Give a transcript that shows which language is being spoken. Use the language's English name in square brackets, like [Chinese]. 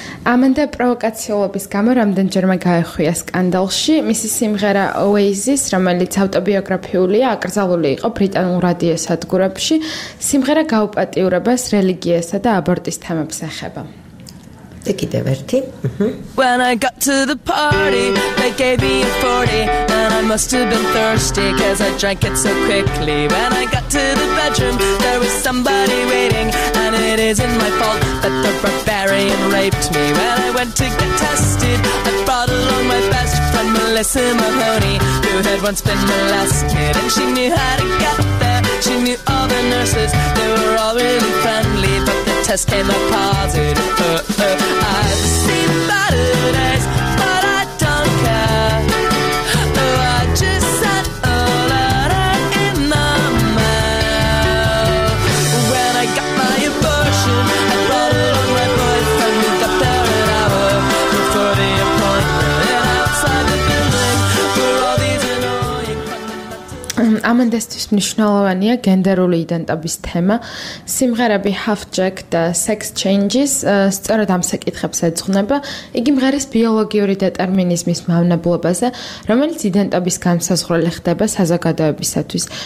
[Georgian] Amanda პროვოკაციულობის გამო რამდენჯერმე გაეხვია სკანდალში. მისი სიმღერა Oasis, რომელიც ავტობიოგრაფიულია, აკრძალული იყო ბრიტანულ რადიო სადგურებში. სიმღერა გაუპატიურებას რელიგიასა და აბორტის თემებს ეხება. და კიდევ ერთი. [English] When I got to the party, they gave me a 40 and I must have been thirsty cuz I drank it so quickly. When I got to the bedroom, there was somebody waiting and it isn't my fault that the barbarian raped me. When I went to get tested, I brought along my best friend Melissa Mahoney, who had once been my last kid and she knew how to get there. She knew all the nurses, they were all really friendly, but test came up positive. I've seen better days, but I don't care. Oh, I just sent a letter in the mail. When I got my abortion, I brought along my boyfriend. We got there an hour before the appointment. And outside the building, [Georgian] ამდენდესთვის მნიშვნელოვანია გენდერული იდენტობის თემა. სიმღერები Half Jack და Sex Changes სწორედ ამ საკითხებს ეძღვნება. იგი მღერის ბიოლოგიური დეტერმინიზმის მავნებლობაზე, რომელიც იდენტობის განსაზღვრელი ხდება საზოგადოებისათვის.